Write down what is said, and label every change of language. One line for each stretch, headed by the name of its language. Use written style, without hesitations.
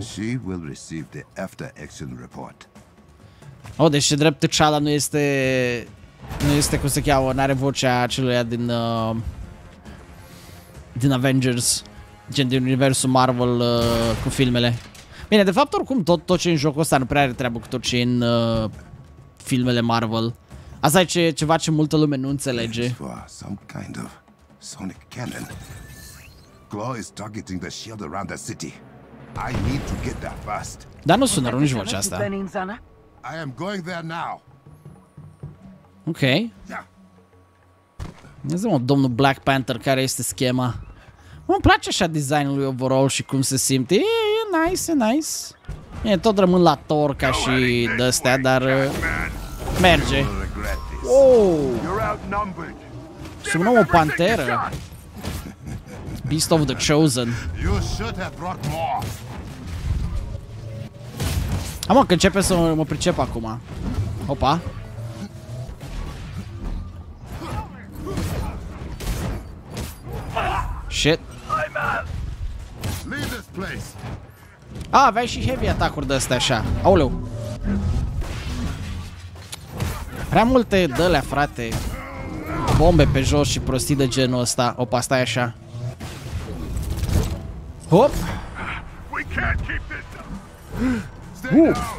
English: She will receive the after action report.
Romanian: Oh, deci ce drept, T'Challa nu este cum se cheamă, n-are vocea aceluia din Avengers, gen din universul Marvel cu filmele. Bine, de fapt oricum tot ce e în jocul ăsta nu prea are treabă cu tot ce e în filmele Marvel. Asta e ceva ce multă lume nu înțelege.
English: Some kind of sonic cannon. Claw is targeting the shield around the city. I need to get there fast.
Romanian: Dar nu sună rău nici vocea asta.
English: I am going there now. Ok.
Romanian: Ia zi-mă, domnul Black Panther, care este schema? Mă, îmi place așa designul lui overall și cum se simte. E nice, e nice. E, tot rămân la Thor ca și d-astea, dar merge. Sună o panteră.
English: Beast of the Chosen. You should have brought more.
Romanian: Amă, că începe să mă pricep acum. Opa.
English: Shit. Leave this place.
Romanian: Ah, aveai și heavy attack-uri de astea așa. Auleu. Prea multe dălea, frate. Bombe pe jos și prostii de genul ăsta. Opa, stai așa. Hop!
English: We can't keep this up. Stay down.